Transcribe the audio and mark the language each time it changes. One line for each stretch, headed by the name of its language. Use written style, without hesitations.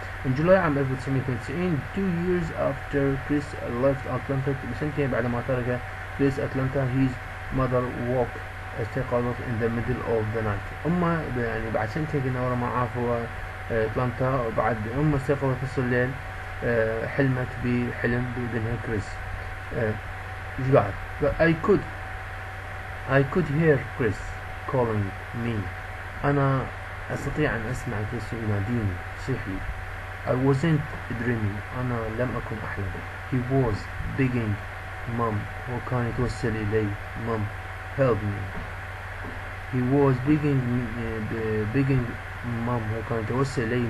Arabic: In July عام 1990،
English: 2 years after Chris left Atlanta،
Arabic: بسنتين بعد ما ترك Chris Atlanta،
English: his mother woke،
Arabic: استيقظت
English: in the middle of the night،
Arabic: أمه يعني بعد سنتين كنا ورا ما عافوا Atlanta، وبعد أمه استيقظت نص الليل، حلمت بحلم بابنها كريس. ايش بعد؟
English: I could hear Chris calling me.
Arabic: أنا أستطيع أن أسمع كريس يناديني، صيح لي.
English: I wasn't dreaming.
Arabic: أنا لم أكن أحلم.
English: He was begging mom.
Arabic: هو كان يتوسل إلي.
English: Mom, help me. He was begging begging mom.
Arabic: هو كان يتوسل إلي.